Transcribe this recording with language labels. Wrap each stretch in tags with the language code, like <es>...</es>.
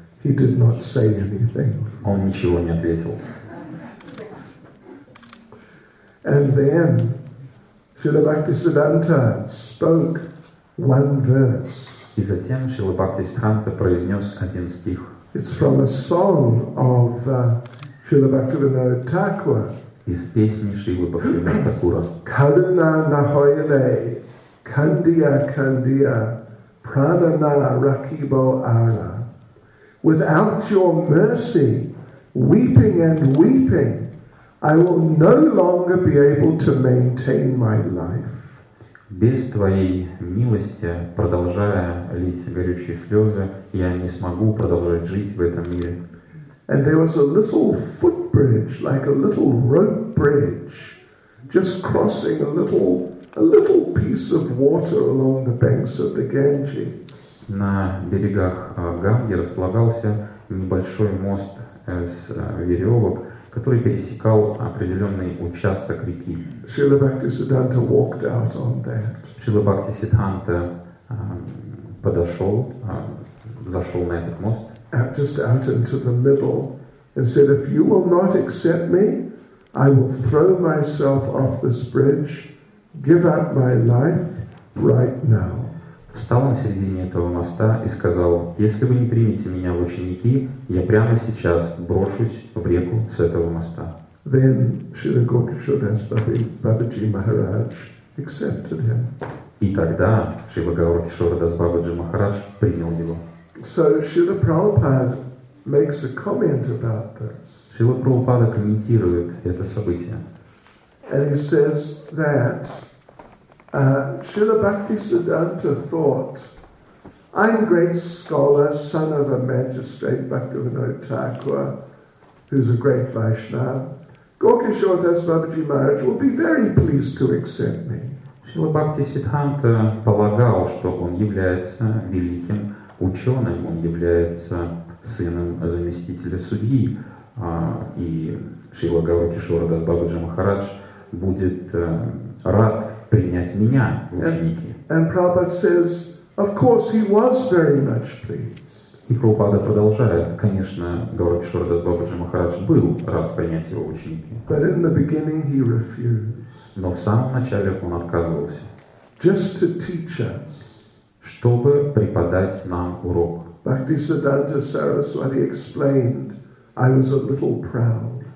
<en>He did not say anything.</en> <ru>Он ничего не ответил.</ru> <en>And then Шрила Бхактисиддханта spoke one verse.</en> <ru>И затем Шрила Бхактисиддханта произнес один стих.</ru> <en>It's from a song of Srila Bhaktivinoda Thakura.</en> <ru>Из песни Шрилы Бхактивинода Такура.</ru> <bn>Kaduna nahoyale, kandiya kandiya, Pranana Rakibo Ara.</bn> <en>Without your mercy, weeping and weeping, I will no longer be able to maintain my life.</en> <ru>Без твоей милости, продолжая лить горючие слезы, я не смогу продолжать жить в этом мире.</ru> <en>And there was a little footbridge, like a little rope bridge, just crossing a little piece of water along the banks of the Ganges.</en> <ru>На берегах Ганги располагался небольшой мост из веревок, который пересекал определенный участок реки.</ru> <en>Srila Bhaktisiddhanta walked out on that.</en> <ru>Srila Bhaktisiddhanta подошел, зашел на этот мост.</ru> <en>Just out into the middle and said, if you will not accept me, I will throw myself off this bridge, give up my life right now.</en> <ru>Встал на середине этого моста и сказал, если вы не примете меня в ученики, я прямо сейчас брошусь в реку с этого моста.</ru> <en>Then Srila Gaurakishodas Babaji Maharaj accepted him.</en> <ru>И тогда Srila Gaurakishodas Babaji Maharaj принял его.</ru> <en>So Srila Prabhupada makes a comment about this.</en> <ru>Srila Prabhupada комментирует это событие.</ru> <en>And he says that Srila Bhaktisiddhanta thought, I'm a great scholar, son of a magistrate, Bhaktivinoda Thakur, who's a great Vaishnava. Gaurakishodas Babaji Maharaj will be very pleased to accept me.</en> <ru>Srila Bhaktisiddhanta полагал, что он является великим ученым, он является сыном заместителя судьи, и Шрила Гаурикишорадас Бабаджи Махарадж будет рад принять меня в ученики.</ru> <en>And Prabhupada says, of course, he was very much pleased.</en> <ru>И Прабхупада продолжает, конечно, Гаурикишорадас Бабаджи Махарадж был рад принять его в ученики.</ru> <en>But in the beginning he refused.</en> <ru>Но в самом начале он отказывался.</ru> <en>Just to teach us.</en> <ru>Чтобы преподать нам урок.</ru> <en>Bhaktisiddhanta Saraswati explained, I was a little proud.</en>